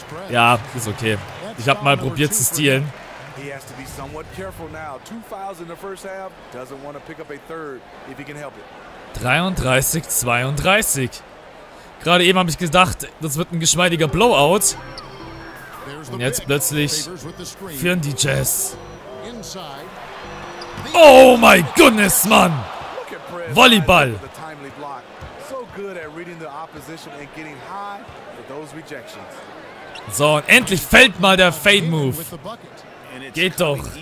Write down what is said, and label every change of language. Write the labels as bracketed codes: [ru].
[de] Ja, ist okay. Ich habe mal probiert zu stehlen. [en] He has to be somewhat careful now. Two fouls in the first half. Doesn't want to pick up a third if he can help it. 33-32. [de] Gerade eben habe ich gedacht, das wird ein geschmeidiger Blowout. Und jetzt plötzlich führen die Jazz. [en] Oh my goodness, Mann! Volleyball! So good at reading the opposition and getting high with those rejections. [de] So, und endlich fällt mal der Fade Move. Geht doch.